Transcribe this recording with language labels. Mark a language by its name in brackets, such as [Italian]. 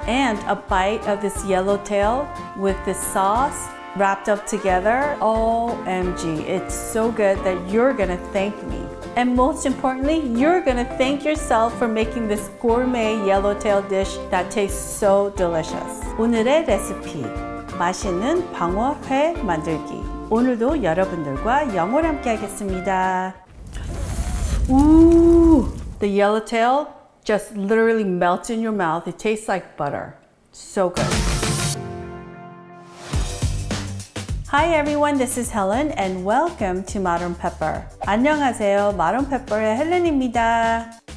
[English] And a bite of this yellowtail with this sauce wrapped up together, OMG, it's so good that you're gonna thank me. And most importantly, you're gonna thank yourself for making this gourmet yellowtail dish that tastes so delicious. [Korean] 오늘의 레시피, 맛있는 방어회 만들기. 오늘도 여러분들과 영어를 함께 하겠습니다. [English] Ooh, the yellowtail just literally melts in your mouth. It tastes like butter. So good. Hi everyone, this is Helen and welcome to Modern Pepper. [Korean] 안녕하세요, Modern Pepper의 헬렌입니다.